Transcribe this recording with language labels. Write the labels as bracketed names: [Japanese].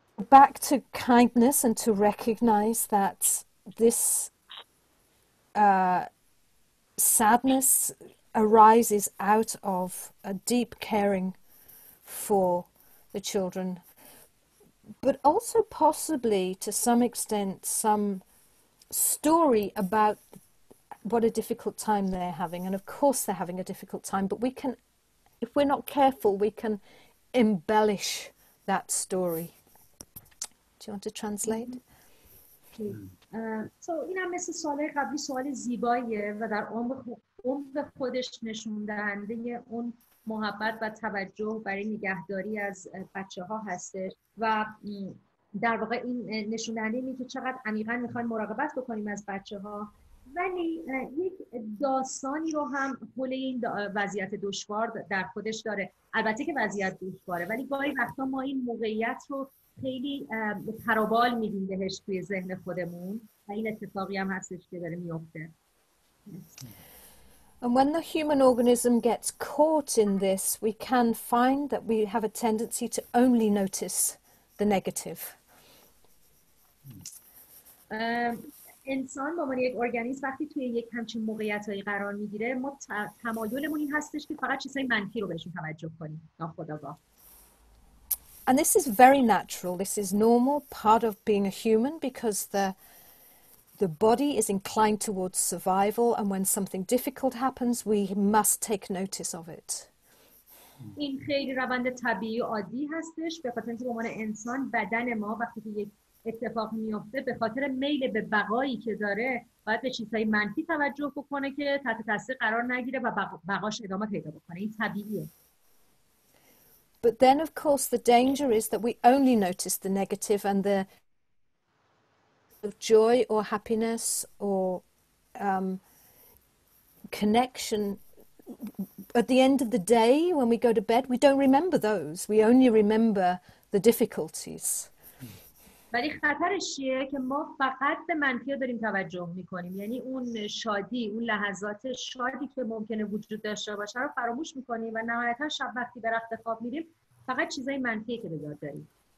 [English] Back to kindness and to recognize that this sadness arises out of a deep caring for the children, but also possibly to some extent some story about what a difficult time they're having. And of course they're having a difficult time, but if we're not careful, we can embellish that story. Do you want to translate? [Persian] So این هم مثل سوال قبلی سوال زیباییه و در عمق خودش نشوندهنده اون محبت و توجه برای نگهداری از بچه ها هستش و در واقع این نشوندهنده اینه که چقدر عمیقا میخوایم مراقبت بکنیم از بچه ها ولی یک داستانی رو هم حول این وضعیت دشوار در خودش داره البته که وضعیت دشواره ولی گاهی وقتا ما این موقعیت رو خیلی پروبال میدیم بهش توی ذهن خودمون و این اتفاقی هم هستش که داره میفته. [English] And when the human organism gets caught in this, we can find that we have a tendency to only notice the negative. [Persian] انسان با عنوان یک ارگانیسم وقتی توی یک همچین موقعیتایی قرار میگیره ما تمایلمون این هستش که فقط چیزای منفی رو بهشون توجه کنیم ناخودآگاه. [English] And this is very natural. This is normal part of being a human because the body is inclined towards survival and when something difficult happens we must take notice of it. [Persian] این خیلی روند طبیعی عادی هستش به خاطر اینکه به عنوان انسان بدن ما وقتی که یک اتفاق میفته به خاطر میل به بقایی که داره باید به چیزهای منفی توجه بکنه که تحت تاثیر قرار نگیره و بقاش ادامه پیدا بکنه این طبیعیه. [English] But then of course the danger is that we only notice the negative and the joy or happiness or connection at the end of the day when we go to bed we don't remember those we only remember the difficulties. [Persian] و ولی خطرش چیه که ما فقط به منفی داریم توجه میکنیم، یعنی اون شادی، اون لحظات شادی که ممکنه وجود داشته باشه رو فراموش میکنیم و نهایتا شب وقتی به رخت خواب میریم فقط چیزای منفی که به یاد داریم.